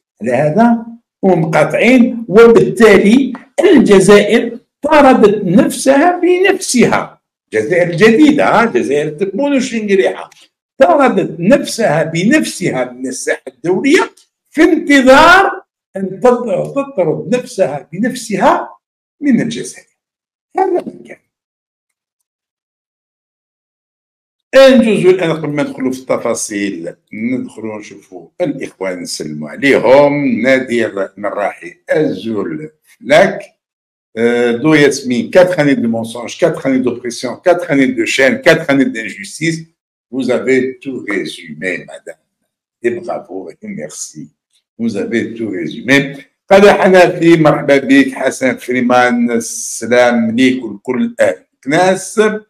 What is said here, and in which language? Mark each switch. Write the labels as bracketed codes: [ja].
[ar] لهذا ومقاطعين، وبالتالي الجزائر طاردت نفسها بنفسها، الجزائر الجديدة جزائر تبون وشنقريحة، طاردت نفسها بنفسها من الساحة الدولية في انتظار أن تطرد نفسها بنفسها من الجزائر. هذا ما كان. انجزوا الآن قبل ما ندخلوا في التفاصيل، ندخلوا نشوفوا الإخوان نسلموا عليهم. [fr] نادر مراحي أزول لك دو ياسمين 4 années de mensonges 4 années d'oppression 4 années de chaîne 4 années d'injustice. Vous avez tout résumé madame et bravo et merci. Vous avez tout résumé. [ar] قال حنفي مرحبا بك حسن فريمان، السلام ليك ولكل أهل كناس.